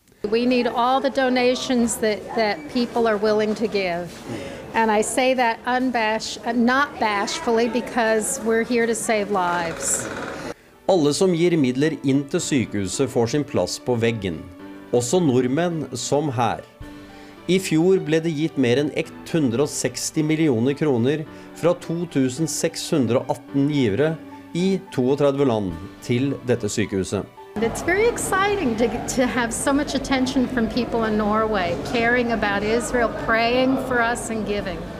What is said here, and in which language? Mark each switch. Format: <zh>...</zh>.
<en>We need all the donations that people are willing to give. And I say that not bashfully, because we're here to save lives.</en> <no>Alle som gir midler inn til sykehuset får sin plass på veggen. Også nordmenn som her. I fjor ble det gitt mer enn 160 millioner kroner fra 2618 givere I 32 land til dette sykehuset.</no> <en>It's very exciting to have so much attention from people in Norway, caring about Israel, praying for us and giving.</en>